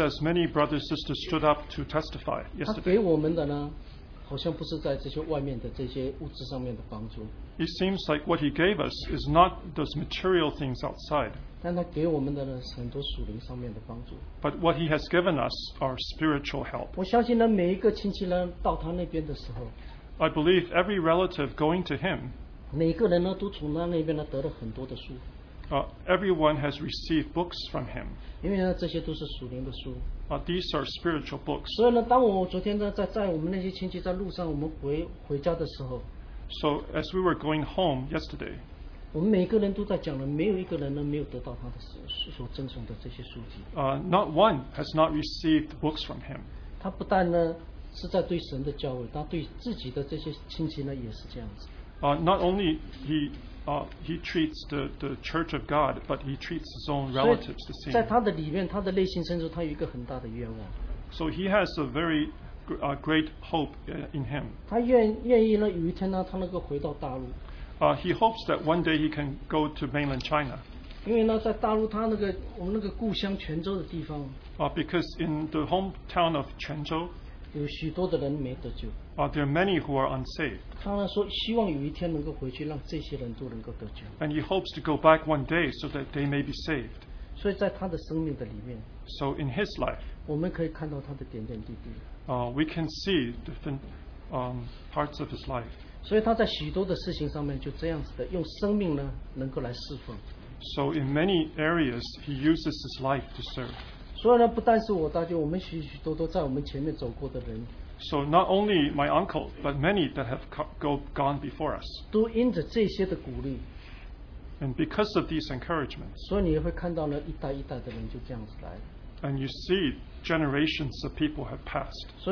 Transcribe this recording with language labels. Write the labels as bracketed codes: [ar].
[en] as many brothers and sisters stood up to testify yesterday. [zh] 他给我们的呢？好像不是在这些物质上面的帮助 [en] It seems like what he gave us is not those material things outside [zh] 但他给我们的呢是很多属灵上面的帮助 [en] But what he has given us are spiritual help [zh] 我相信呢每一个亲戚呢到他那边的时候 [en] I believe every relative going to him [zh] 每个人呢都从他那边呢得了很多的书 [en] Everyone has received books from him [zh] 因为呢这些都是属灵的书 [en] These are spiritual books. [zh] 所以呢，当我昨天呢，在我们那些亲戚在路上，我们回家的时候 [en] So as we were going home yesterday, not one has not received books from him. Not only he treats the Church of God, but he treats his own relatives the same. [zh] 在他的里面, 他的内心深处, [en] so he has a very great hope in him. [zh] 他愿意呢,有一天呢,他能够回到大陆, [en] he hopes that one day he can go to mainland China. [zh] 因为呢,在大陆他那个,我们那个故乡泉州的地方, [en] because in the hometown of Quanzhou, [zh] 有许多的人没得救, [en] there are many who are unsaved. And he hopes to go back one day so that they may be saved. [zh] 所以在他的生命的里面, [en] so in his life, [zh] 我们可以看到他的点点滴滴, [en] we can see different parts of his life. [zh] 所以他在许多的事情上面就这样子的,用生命呢, 能够来侍奉。 [en] So in many areas, he uses his life to serve. [zh] 所以呢,不但是我大舅,我们许许多多在我们前面走过的人, [en] so not only my uncle, but many that have gone before us. [zh] 都因着这些的鼓励, [en] and because of these encouragements, [zh] 所以你会看到呢,一代一代的人就这样子来, [en] and you see generations of people have passed.